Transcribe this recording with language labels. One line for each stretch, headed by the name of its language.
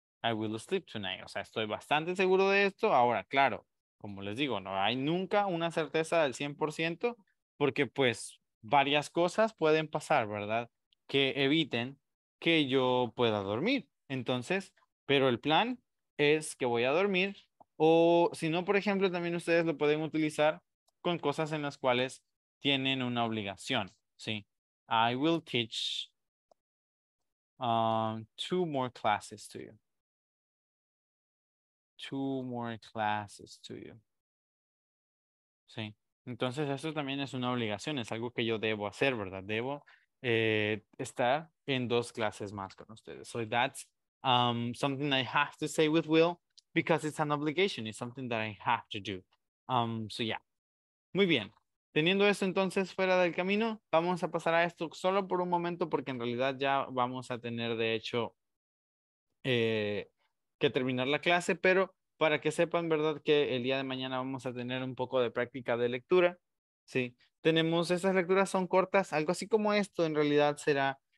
English: I will sleep tonight.
Spanish: O sea, estoy bastante seguro de esto. Ahora, claro, como les digo, no hay nunca una certeza del 100%, porque pues varias cosas pueden pasar, ¿verdad?, que eviten que yo pueda dormir. Entonces, pero el plan es que voy a dormir. O si no, por ejemplo, también ustedes lo pueden utilizar con cosas en las cuales tienen una obligación. Sí.
English: I will teach two more classes to you. Two more classes to you. Sí.
Spanish: Entonces, eso también es una obligación, es algo que yo debo hacer, ¿verdad? Debo estar en dos clases más con ustedes.
English: So that's something I have to say with will because it's an obligation. It's something that I have to do. So yeah.
Spanish: Muy bien. Teniendo eso entonces fuera del camino, vamos a pasar a esto solo por un momento porque en realidad ya vamos a tener de hecho que terminar la clase, pero para que sepan, ¿verdad?, que el día de mañana vamos a tener un poco de práctica de lectura, ¿sí? Tenemos, estas lecturas son cortas, algo así como esto, en realidad será